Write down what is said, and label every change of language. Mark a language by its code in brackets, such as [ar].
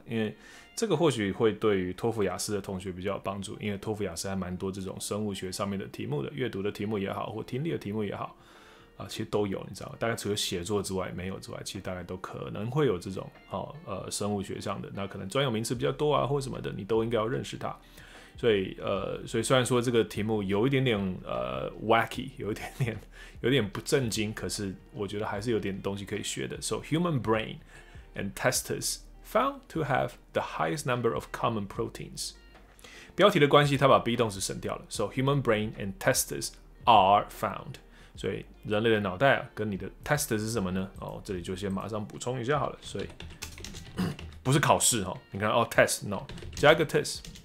[zh] 因为这个或许会对于托福雅思的同学比较有帮助，因为托福雅思还蛮多这种生物学上面的题目的，阅读的题目也好，或听力的题目也好，其实都有，你知道吗？大概除了写作之外没有之外，其实大概都可能会有这种生物学上的，那可能专有名词比较多啊，或什么的，你都应该要认识它。所以虽然说这个题目有一点点wacky， 有点不正经，可是我觉得还是有点东西可以学的。 [en] So human brain and testes found to have the highest number of common proteins。 [zh] 标题的关系，他把 be 动词省掉了。 So human brain and testes are found。所以人类的脑袋、跟你的 testes 是什么呢？这里就先马上补充一下好了。所以不是考试哦，你看哦 test no 加个 test。